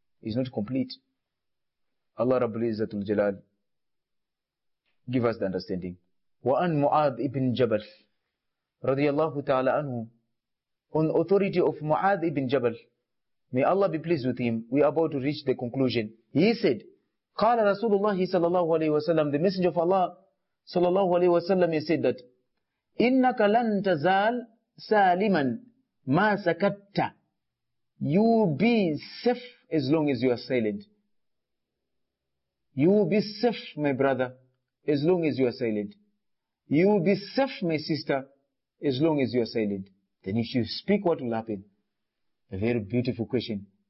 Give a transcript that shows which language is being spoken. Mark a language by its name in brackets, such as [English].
[English] It's not complete. Allah Rabbul Izzatul Jalal, give us the understanding. [Arabic] وَأَنْ مُعَاذْ إِبْنْ جَبَلْ رَضِيَ اللَّهُ تَعَالَى أَنْهُ. [English] On authority of Mu'adh ibn Jabal, may Allah be pleased with him, we are about to reach the conclusion. He said, [Arabic] قَالَ رَسُولُ اللَّهِ صَلَى اللَّهُ عَلَيْهِ وَسَلَّمْ, [English] the messenger of Allah [Arabic] صَلَى اللَّهُ عَلَيْهِ وَسَلَّمْ, [English] he said that, [Arabic] إِنَّكَ لَنْ تَزَالْ سَالِمًا مَا سَكَتَّ. [English] You will be safe as long as you are silent. You will be safe, my brother, as long as you are silent. You will be safe, my sister, as long as you are silent. Then if you speak, what will happen? A very beautiful question.